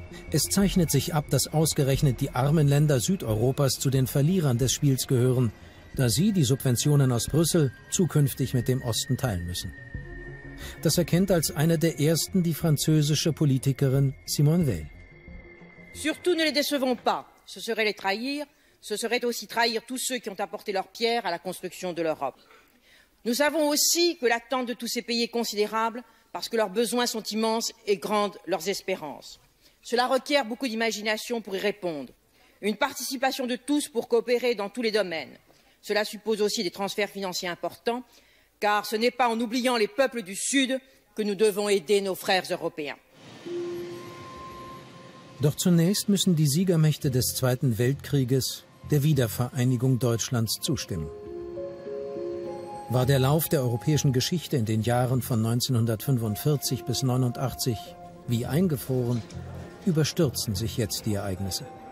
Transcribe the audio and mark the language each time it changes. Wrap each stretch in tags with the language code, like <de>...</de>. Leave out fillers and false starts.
<de>Es zeichnet sich ab, dass ausgerechnet die armen Länder Südeuropas zu den Verlierern des Spiels gehören, da sie die Subventionen aus Brüssel zukünftig mit dem Osten teilen müssen. Das erkennt als eine der ersten die französische Politikerin Simone Veil.</de> <fr>Surtout ne les décevons pas, ce serait les trahir, ce serait aussi trahir tous ceux qui ont apporté leur pierre à la construction de l'Europe. Nous savons aussi que l'attente de tous ces pays est considérable, parce que leurs besoins sont immenses et grandes leurs espérances. Cela requiert beaucoup d'imagination pour y répondre. Une participation de tous pour coopérer dans tous les domaines. Cela suppose aussi des transferts financiers importants, car ce n'est pas en oubliant les peuples du Sud que nous devons aider nos frères européens.</fr> <de>Doch zunächst müssen die Siegermächte des Zweiten Weltkrieges der Wiedervereinigung Deutschlands zustimmen. War der Lauf der europäischen Geschichte in den Jahren von 1945 bis 89 wie eingefroren, überstürzen sich jetzt die Ereignisse.</de>